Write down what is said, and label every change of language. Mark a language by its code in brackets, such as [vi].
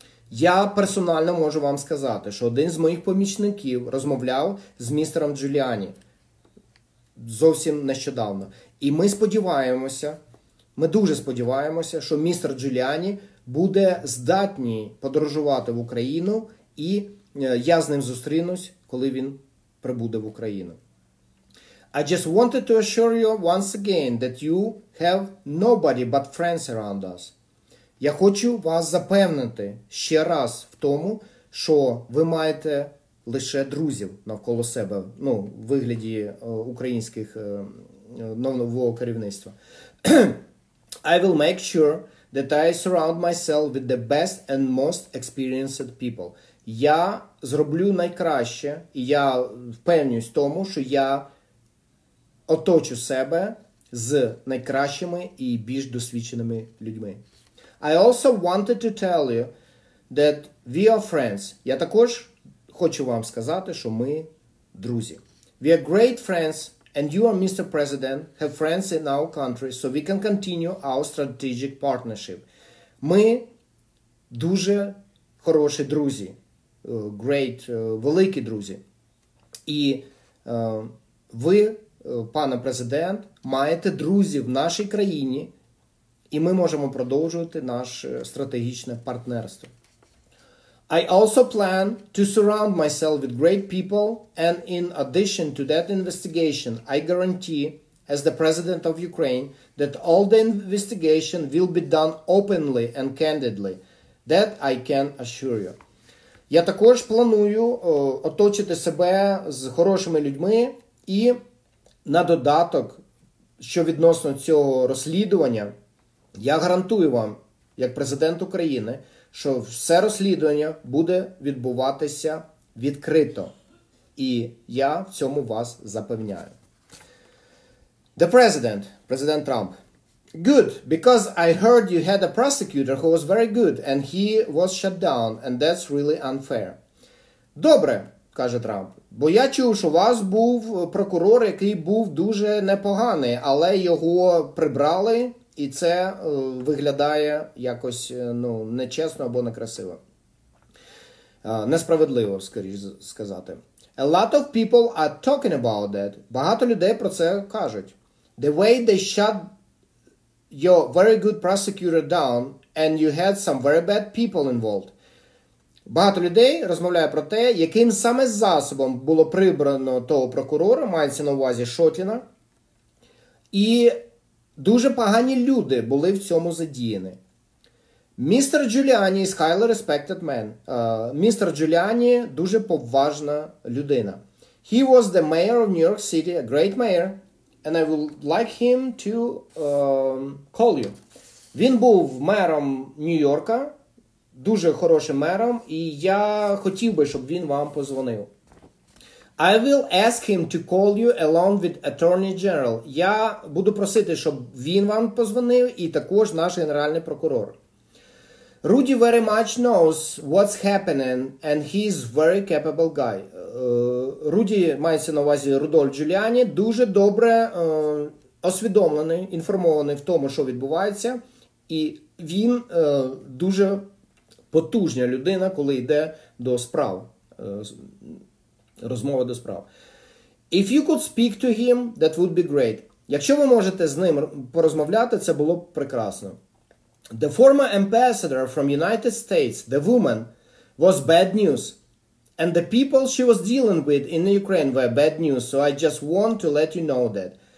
[uk] Я персонально можу вам сказати, що один з моїх помічників розмовляв з містером Джуліані зовсім нещодавно. І ми сподіваємося, ми дуже сподіваємося, що містер Джуліані буде здатний подорожувати в Україну, і я з ним зустрінусь, коли він прибуде в Україну. [en] I just wanted to assure you once again that you have nobody but friends around us. [uk] Я хочу вас запевнити ще раз в тому, що ви маєте лише друзів навколо себе, ну, в вигляді українських нового керівництва. [en] I will make sure that I surround myself with the best and most experienced people. [uk] Я зроблю найкраще, і я впевнююсь в тому, що я оточу себе з найкращими і більш досвідченими людьми. [en] I also wanted to tell you that we are friends. [uk] Я також хочу вам сказати, що ми друзі. [en] We are great friends, and you and Mr. President have friends in our country, so we can continue our strategic partnership. [uk] Ми дуже хороші друзі. Great, великі друзі. І ви, пане президент, маєте друзів в нашій країні, і ми можемо продовжувати наше стратегічне партнерство. [en] I also plan to surround myself with great people, and in addition to that investigation, I guarantee, as the president of Ukraine, that all the investigation will be done openly and candidly. That I can assure you. [uk] Я також планую оточити себе з хорошими людьми і на додаток, що відносно цього розслідування, я гарантую вам, як президент України, що все розслідування буде відбуватися відкрито. І я в цьому вас запевняю. [en] The president, [uk] президент Трамп. [en] Good, because I heard you had a prosecutor who was very good, and he was shut down, and that's really unfair. [uk] Добре, каже Трамп. Бо я чув, що у вас був прокурор, який був дуже непоганий, але його прибрали, і це виглядає якось, ну, нечесно або некрасиво. Несправедливо, скоріш сказати. [en] A lot of people are talking about that. [uk] Багато людей про це кажуть. [en] The way they shut your very good prosecutor down, and you had some very bad people involved. [uk] Багато людей розмовляє про те, яким саме засобом було прибрано того прокурора, мається на увазі Шотіна, і дуже погані люди були в цьому задіяні. [en] Містер Джуліані is highly respected man. Містер Джуліані [uk] дуже поважна людина. [en] He was the mayor of New York City, a great mayor, and I would like him to call you. [uk] Він був мером Нью-Йорка, дуже хорошим мером, і я хотів би, щоб він вам позвонив. [en] I will ask him to call you along with Attorney General. [uk] Я буду просити, щоб він вам позвонив, і також наш генеральний прокурор. [en] Rudy very much knows what's happening, and he's very capable guy. [uk] Rudy, мається на увазі Рудольф Джуліані, дуже добре освідомлений, інформований в тому, що відбувається, і він дуже потужна людина, коли йде до справ, розмова до справ. [en] If you could speak to him, that would be great. [uk] Якщо ви можете з ним порозмовляти, це було б прекрасно. [en] The former ambassador from United States, the woman, was bad news. And the people she was dealing with in Ukraine were bad news, so I just want to let you know that.